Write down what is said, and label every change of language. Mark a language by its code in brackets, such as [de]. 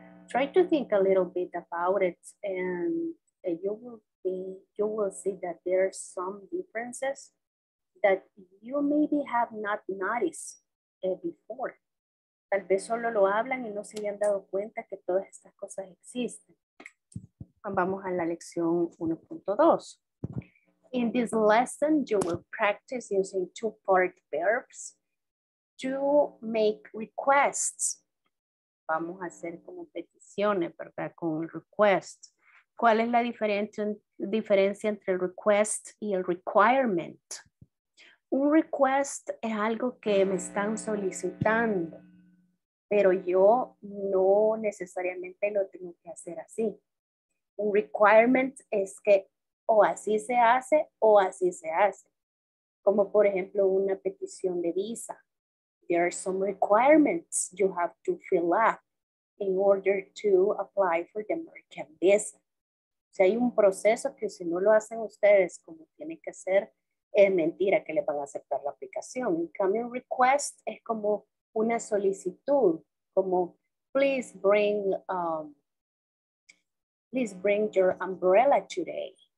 [en] Try to think a little bit about it, and you will see that there are some differences that you maybe have not noticed before. [es] Tal vez solo lo hablan y no se habían dado cuenta que todas estas cosas existen. Vamos a la lección 1.2. [en] In this lesson, you will practice using two-part verbs to make requests. [es] Vamos a hacer como peticiones, ¿verdad? Con request. ¿Cuál es la diferencia entre el request y el requirement? Un request es algo que me están solicitando, pero yo no necesariamente lo tengo que hacer así. Un requirement es que o así se hace o así se hace. Como por ejemplo una petición de visa. [en] There are some requirements you have to fill up in order to apply for the American visa. [es] Si hay un proceso que si no lo hacen ustedes como tiene que ser, es mentira que le van a aceptar la aplicación. En cambio, un request es como una solicitud, como [en] please bring your umbrella today.